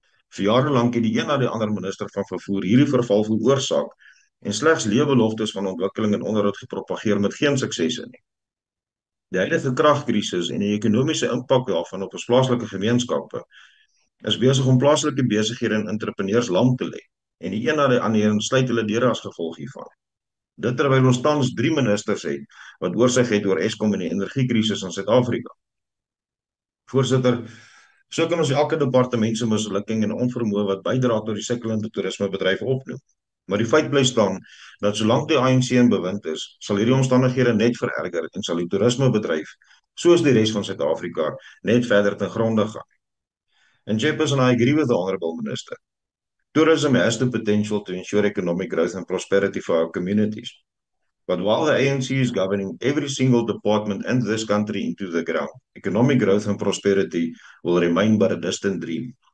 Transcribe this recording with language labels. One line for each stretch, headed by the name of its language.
Afrikaans: Vir jare lank het die een na die ander minister van vervoer hierdie verval veroorsaak en slegs leebeloftes van ontwikkeling en onderhoud gepropageer met geen suksese nie. Die huidige kragkrisis en die ekonomiese impak daarvan op ons plaaslike gemeenskappe is besig om plaaslike besighede en entrepreneurs lam te lê en die een na die ander sluit hulle deure as gevolg hiervan. Dit terwyl ons tans 3 ministers het wat oorsig het oor Eskom en die energiekrisis in Suid-Afrika. Voorzitter, so kan ons elke departement se mislukking en onvermoë wat bydra tot die sikkelende toerismebedryf opnoem. Maar die feit bly staan dat solank die ANC in bewind is, sal hierdie omstandighede net vererger en sal die toerismebedryf, soos die res van Suid-Afrika, net verder ten gronde gaan.
English: And Jefferson, I agree with the Honourable Minister. Tourism has the potential to ensure economic growth and prosperity for our communities. But while the ANC is governing every single department in this country into the ground, economic growth and prosperity will remain but a distant dream.